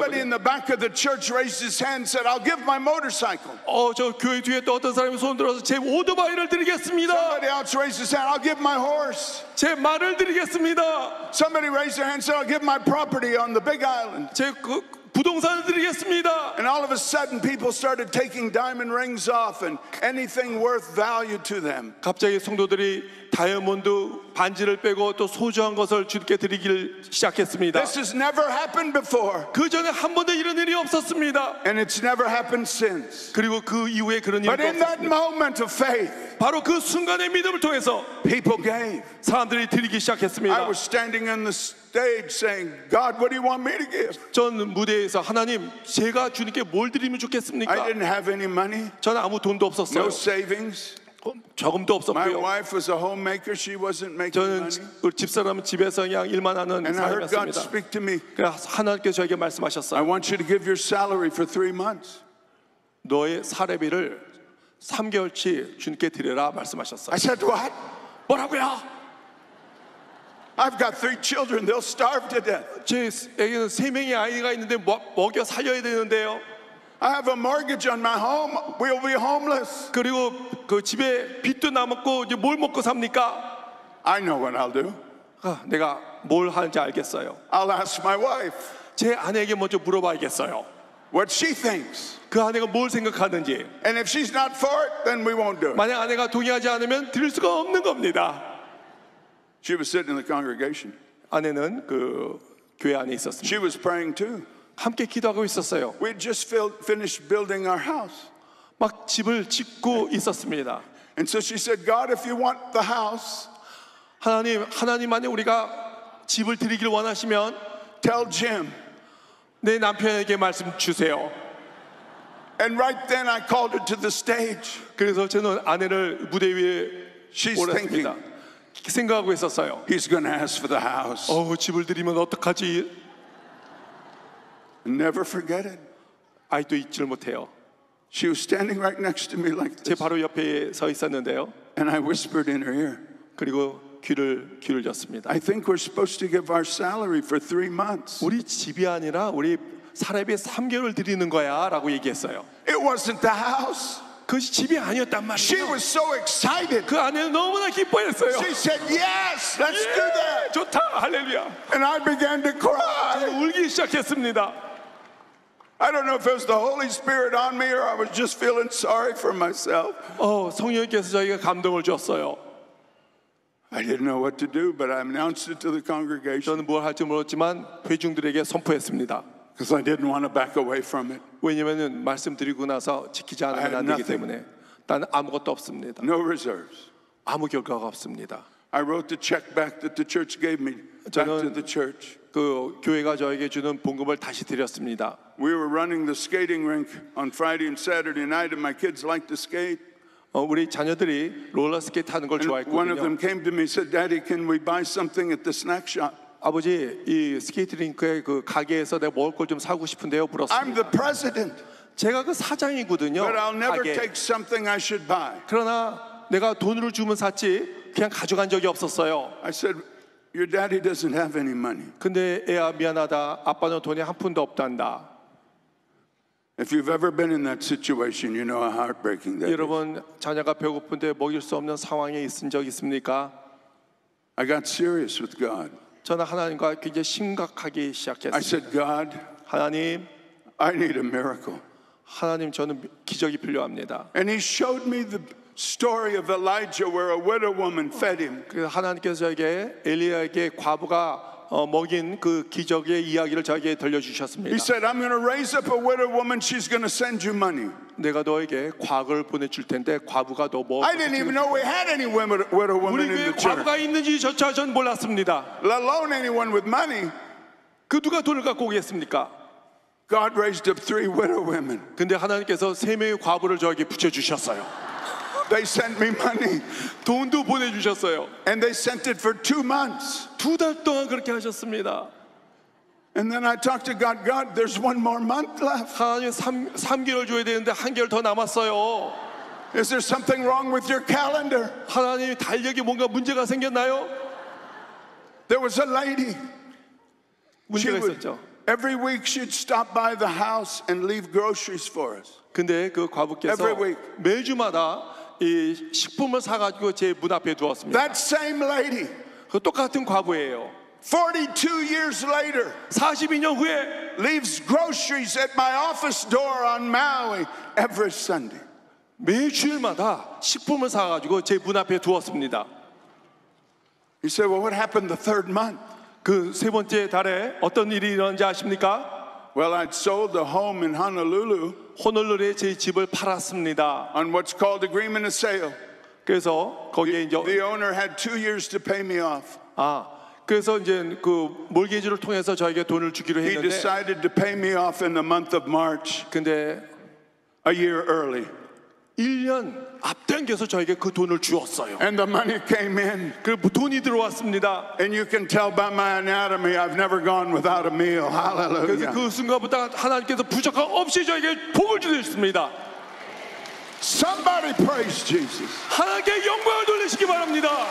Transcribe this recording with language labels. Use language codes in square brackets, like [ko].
[en] Somebody in the back of the church raised his hand and said, "I'll give my motorcycle." [ko] 저 교회 뒤에 또 어떤 사람이 손 들어서 제 오토바이를 드리겠습니다. [en] Somebody else raised his hand, "I'll give my horse." [ko] 제 말을 드리겠습니다. [en] Somebody raised their hand and said, "I'll give my property on the big island." [ko] 제 부동산을 드리겠습니다. [en] And all of a sudden people started taking diamond rings off and anything worth value to them. [ko] 갑자기 성도들이 다이아몬드 반지를 빼고 또 소중한 것을 주께 드리기를 시작했습니다. [en] This has never happened before. [ko] 그 전에 한 번도 이런 일이 없었습니다. [en] And it's never happened since. [ko] 그리고 그 이후에 그런 일이 [en] But But in that moment of faith, [ko] 바로 그 순간의 믿음을 통해서 [en] people gave. [ko] 사람들이 드리기 시작했습니다. [en] I was standing on the stage saying, "God, what do you want me to give?" [ko] 전 무대에서 하나님, 제가 주님께 뭘 드리면 좋겠습니까? [en] I didn't have any money. [ko] 전 아무 돈도 없었어요. [en] No savings. [ko] 조금도 없었고요. [en] My wife was a homemaker. She wasn't making [ko] 저는 [en] money. [ko] 우리 집사람은 집에서 그냥 일만 하는 사람이었습니다. 그래서 하나님께서 저에게 말씀하셨어요. [en] I want you to give your salary for 3 months. [ko] 너의 사례비를 3개월치 주님께 드려라 말씀하셨어요. [en] I said what? [ko] 뭐라고요? [en] I've got 3 children. They'll starve to death. [ko] 제 애기는 세 명의 아이가 있는데 먹여 살려야 되는데요. [en] I have a mortgage on my home. We'll be homeless. [ko] 그리고 그 집에 빚도 남았고 이제 뭘 먹고 삽니까? [en] I know what I'll do. [ko] 내가 뭘 하는지 알겠어요. [en] I'll ask my wife. [ko] 제 아내에게 먼저 물어봐야겠어요. [en] What she thinks. [ko] 그 아내가 뭘 생각하는지. [en] And if she's not for it, then we won't do it. [ko] 만약 아내가 동의하지 않으면 드릴 수가 없는 겁니다. [en] She was sitting in the congregation. [ko] 아내는 그 교회 안에 있었습니다. [en] She was praying too. [ko] 함께 기도하고 있었어요. [en] We just finished building our house. [ko] 막 집을 짓고 있었습니다. [en] And so she said, "God, if you want the house, [ko] 하나님만이 우리가 집을 드리길 원하시면, [en] tell Jim, [ko] 내 남편에게 말씀 주세요." [en] And right then, I called her to the stage. [ko] 그래서 저는 아내를 무대 위에 올렸습니다. 생각하고 있었어요. [en] He's going to ask for the house. [ko] 어, 집을 드리면 어떡하지? [en] Never forget it. [ko] 아직도 잊질 못해요. [en] She was standing right next to me like this. [ko] 제 바로 옆에 서 있었는데요. [en] And I whispered in her ear. [ko] 그리고 귀를 졌습니다. [en] I think we're supposed to give our salary for 3 months. [ko] 우리 집이 아니라 우리 사례비 3개월 드리는 거야라고 얘기했어요. [en] It wasn't the house. [ko] 그것이 집이 아니었단 말이에요. [en] She was so excited. [ko] 그 아내는 너무나 기뻐했어요. [en] She said, "Yes, let's do that." [ko] 좋다, 할렐루야. [en] And I began to cry. [ko] 울기 시작했습니다. [en] I don't know if it was the Holy Spirit on me or I was just feeling sorry for myself. [ko] 어, 성령께서 저에게 감동을 줬어요. [en] I didn't know what to do, but I announced it to the congregation. [ko] 저는 뭘 할지 모르지만 회중들에게 선포했습니다. [en] Because I didn't want to back away from it. [ko] 왜냐면은 말씀드리고 나서 지키지 않으면 안 되기 때문에 난 아무것도 없습니다. [en] No reserves. [ko] 아무 결과가 없습니다. [en] I wrote the check back that the church gave me back to the church. [ko] 그 교회가 저에게 주는 봉급을 다시 드렸습니다. [en] We were running the skating rink on Friday and Saturday night, and my kids liked to skate. [ko] 우리 자녀들이 롤러 스케이트 하는 걸 좋아했거든요. [en] One of them came to me and said, "Daddy, can we buy something at the snack shop?" [ko] 아버지, 이 스케이트링크의 그 가게에서 내가 먹을 걸 좀 사고 싶은데요, 물었습니다. [en] I'm the president. [ko] 제가 그 사장이거든요. [en] But I'll never take something I should buy. [ko] 그러나 내가 돈으로 주면 샀지, 그냥 가져간 적이 없었어요. [en] I said, "Your daddy doesn't have any money." [ko] 근데 애야 미안하다, 아빠는 돈이 한 푼도 없단다. [en] If you've ever been in that situation, you know how heartbreaking that is. [ko] 여러분, 자녀가 배고픈데 먹일 수 없는 상황에 있은 적 있습니까? [en] I got serious with God. [ko] 저는 하나님과 굉장히 심각하게 시작했습니다. [en] I said, "God, [ko] 하나님, [en] I need a miracle." [ko] 하나님, 저는 기적이 필요합니다. [en] And He showed me the story of Elijah, where a widow woman fed him. [ko] 그래서 하나님께서 저에게 엘리야에게 과부가 먹인 그 기적의 이야기를 저에게 들려주셨습니다. [en] He said, "I'm going to raise up a widow woman. She's going to send you money." [ko] 내가 너에게 과부를 보내줄 텐데 과부가 너 뭐? [en] I didn't even know we had any widow woman in the church. [ko] 우리 교회에 과부가 있는지 저차 전 몰랐습니다. [en] Let alone anyone with money. [ko] 그 누가 돈을 갖고 오겠습니까? [en] God raised up 3 widow women. [ko] 근데 하나님께서 세 명의 과부를 저에게 붙여주셨어요. [en] They sent me money. [ko] 돈도 보내주셨어요. [en] And they sent it for 2 months. [ko] 두 달 동안 그렇게 하셨습니다. [en] And then I talked to God. "God, there's 1 more month left." [ko] 하나님, 3개월 줘야 되는데 한 개월 더 남았어요. [en] "Is there something wrong with your calendar?" [ko] 하나님, 달력에 뭔가 문제가 생겼나요? [en] There was a lady. [ko] 문제가 있었죠. [en] Every week she'd stop by the house and leave groceries for us. [ko] 근데 그 과부께서 [en] every week. [ko] 매주마다 이 식품을 사가지고 제 문 앞에 두었습니다. [en] That same lady. [ko] 그 똑같은 과부예요. [en] 42 years later, [ko] 42년 후에 [en] leaves groceries at my office door on Maui every Sunday. [ko] 매주일마다 식품을 사 가지고 제 문 앞에 두었습니다. [en] He said, "Well, what happened the third month?" [ko] 그 세 번째 달에 어떤 일이 일어난지 아십니까? [en] Well, I'd sold the home in Honolulu. [ko] 호놀룰루에 제 집을 팔았습니다. [en] On what's called agreement of sale. [ko] 그래서 거기에 이제 [en] the owner had 2 years to pay me off. [ko] 아, 그래서 이제 그 몰개지를 통해서 저에게 돈을 주기로 했는데. [en] He decided to pay me off in the month of March. [ko] 근데 [en] a year early. [ko] 1년 앞당겨서 저에게 그 돈을 주었어요. [en] And the money came in. [ko] 그 돈이 들어왔습니다. [en] And you can tell by my anatomy, I've never gone without a meal. Hallelujah. [ko] 그래서 그 순간부터 하나님께서 부족함 없이 저에게 복을 주셨습니다. [en] Somebody praise Jesus. [ko] 하나님께 영광을 돌리시기 바랍니다.